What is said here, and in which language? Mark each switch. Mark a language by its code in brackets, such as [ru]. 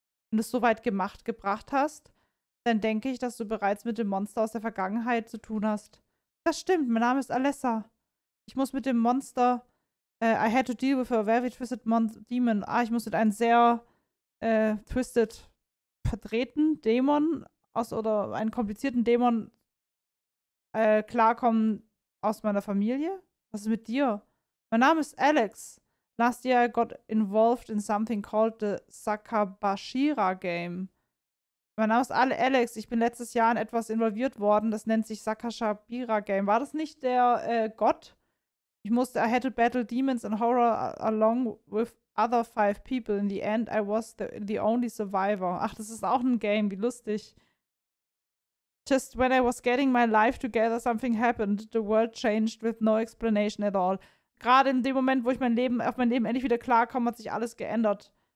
[de] Wenn du es so weit gemacht gebracht hast, dann denke ich, dass du bereits mit dem Monster aus der Vergangenheit zu tun hast. Das stimmt, mein Name ist Alessa. Ich muss mit dem Monster... [en] I had to deal with a very twisted demon. [de] Ah, ich muss mit einem sehr twisted, verdrehten Dämon aus oder einen komplizierten Dämon klarkommen aus meiner Familie. Was ist mit dir? Mein Name ist Alex. [en] Last year I got involved in something called the Sakabashira Game. [de] Mein Name ist Alex. Ich bin letztes Jahr in etwas involviert worden. Das nennt sich Sakabashira Game. War das nicht der Gott? [en] I had to battle demons and horror along with other 5 people. In the end, I was the only survivor. [de] Ach, das ist auch ein Game, wie lustig. [en] Just when I was getting my life together, something happened. The world changed with no explanation at all. [de] Gerade in dem Moment, wo ich auf mein Leben endlich wieder klarkomme, hat sich alles geändert.